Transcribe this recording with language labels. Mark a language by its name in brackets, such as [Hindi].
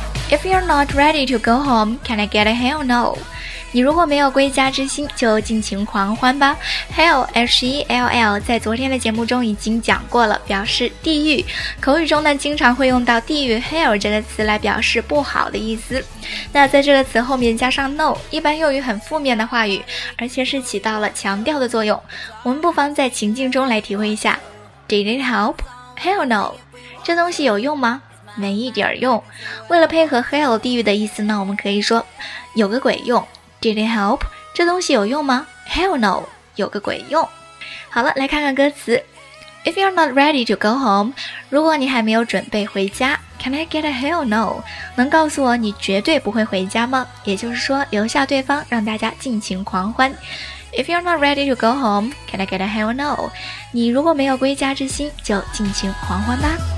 [English] If you're not ready to go home, can I get a hell no? [Chinese] 你如果没有归家之心，就尽情狂欢吧。Hell, H-E-L-L, 在昨天的节目中已经讲过了，表示地狱。口语中呢，经常会用到地狱 hell 这个词来表示不好的意思。那在这个词后面加上 no, 一般用于很负面的话语，而且是起到了强调的作用。我们不妨在情境中来体会一下。 [English] Did it help? Hell no. [Chinese] 这东西有用吗？没一点用。为了配合 hell 地狱的意思呢，我们可以说有个鬼用。 [English] Did it help? [Chinese] 这东西有用吗？ [English] Hell no, [Chinese] 有个鬼用。好了，来看看歌词。 [English] If you're not ready to go home, [Chinese] 如果你还没有准备回家， [English] Can I get a hell no? [Chinese] 能告诉我你绝对不会回家吗？也就是说留下对方让大家尽情狂欢。 [English] If you're not ready to go home, Can I get a hell no? [Chinese] 你如果没有归家之心，就尽情狂欢吧。